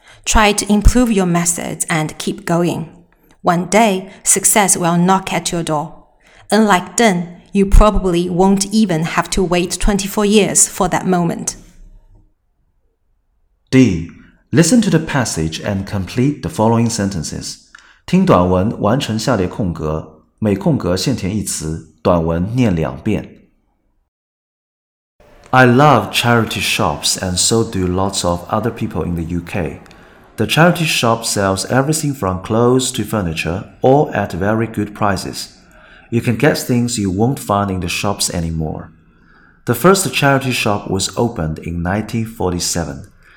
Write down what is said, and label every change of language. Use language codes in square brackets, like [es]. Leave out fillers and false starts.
[en] Try to improve your methods and keep going. One day, success will knock at your door. Unlike Deng, you probably won't even have to wait 24 years for that moment. D. Listen to the passage and complete the following sentences. [zh] 听短文完成下列空格，每空格限填一词，短文念两遍。 [en] I love charity shops and so do lots of other people in the UK. The charity shop sells everything from clothes to furniture, all at very good prices. You can get things you won't find in the shops anymore. The first charity shop was opened in 1947.